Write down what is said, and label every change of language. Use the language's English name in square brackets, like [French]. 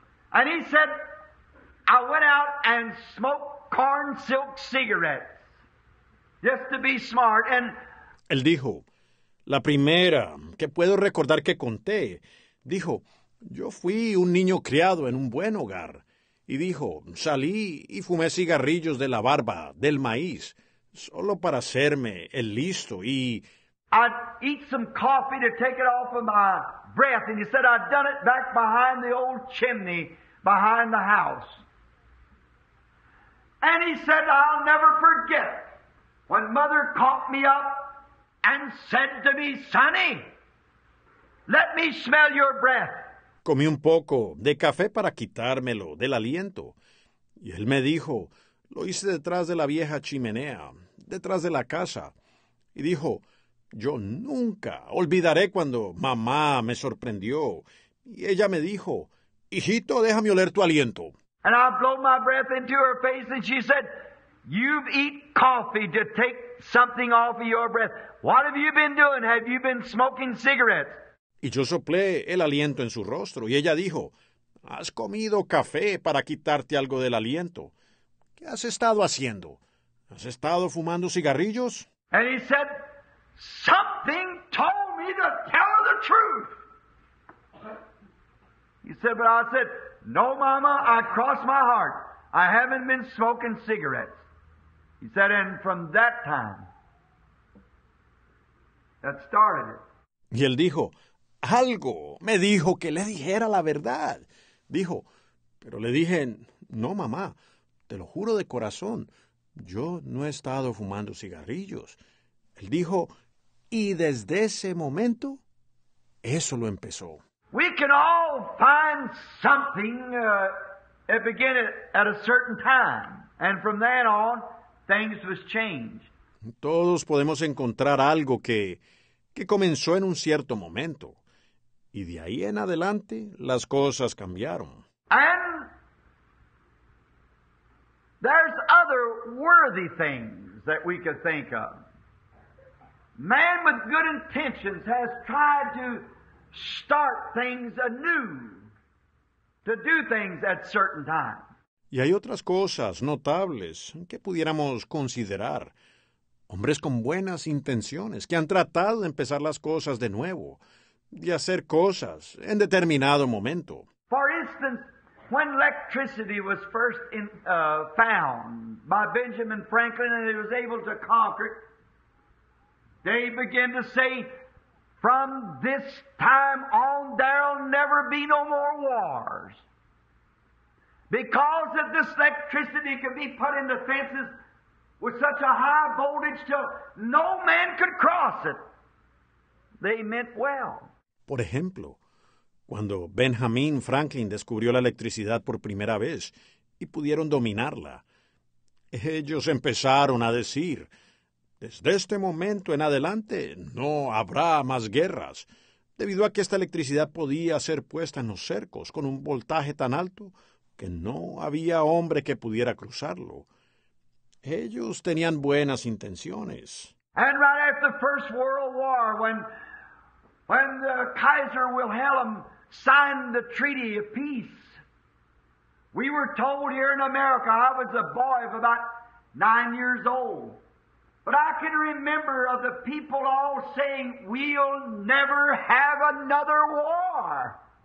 [English] And he said, I went out and smoked corn silk cigarettes just to be smart." And [Spanish] él dijo, la primera que puedo recordar que conté, dijo, "Yo fui un niño criado en un buen hogar." Y dijo, "Salí y fumé cigarrillos de la barba, del maíz, solo para hacerme el listo y..." [English] "I'd eat some coffee to take it off of my breath, and he said I'd done it back behind the old chimney, behind the house. And he said, I'll never forget when mother caught me up and said to me, Sonny, let me smell your breath." [Spanish] Comí un poco de café para quitármelo del aliento. Y él me dijo, lo hice detrás de la vieja chimenea, detrás de la casa. Y dijo, yo nunca olvidaré cuando mamá me sorprendió. Y ella me dijo, hijito, déjame oler tu aliento. [English] And I blew my breath into her face and she said, you've eaten coffee to take something off of your breath. What have you been doing? Have you been smoking cigarettes? [Spanish] Y yo soplé el aliento en su rostro y ella dijo, has comido café para quitarte algo del aliento. ¿Qué has estado haciendo? ¿Has estado fumando cigarrillos? [English] And he said, something told me to tell the truth. He said, but I said, no, mama, I crossed my heart. I haven't been smoking cigarettes. He said, and from that time, that started it. [Spanish] Y él dijo, algo me dijo que le dijera la verdad. Dijo, pero le dije, no, mamá, te lo juro de corazón, yo no he estado fumando cigarrillos. Él dijo, y desde ese momento, eso lo empezó. [English] We can all find something at begin at a certain time. And from then on, things was changed. [Spanish] Todos podemos encontrar algo que comenzó en un cierto momento. Y de ahí en adelante, las cosas cambiaron. [English] And there's other worthy things that we could think of. Man with good intentions has tried to start things anew, to do things at certain times. [Spanish] Y hay otras cosas notables que pudiéramos considerar. Hombres con buenas intenciones que han tratado de empezar las cosas de nuevo, de hacer cosas en determinado momento. [English] For instance, when electricity was first found by Benjamin Franklin and he was able to conquer it, they began to say, from this time on, there'll never be no more wars. Because if this electricity can be put in the fences with such a high voltage till no man could cross it, they meant well. [Spanish] Por ejemplo, cuando Benjamin Franklin descubrió la electricidad por primera vez y pudieron dominarla, ellos empezaron a decir, desde este momento en adelante no habrá más guerras, debido a que esta electricidad podía ser puesta en los cercos con un voltaje tan alto que no había hombre que pudiera cruzarlo. Ellos tenían buenas intenciones. [English] And right after the First World War, when the Kaiser Wilhelm signed the Treaty of Peace, we were told here in America, I was a boy of about 9 years old, but I can remember of the people all saying, we'll never have another war.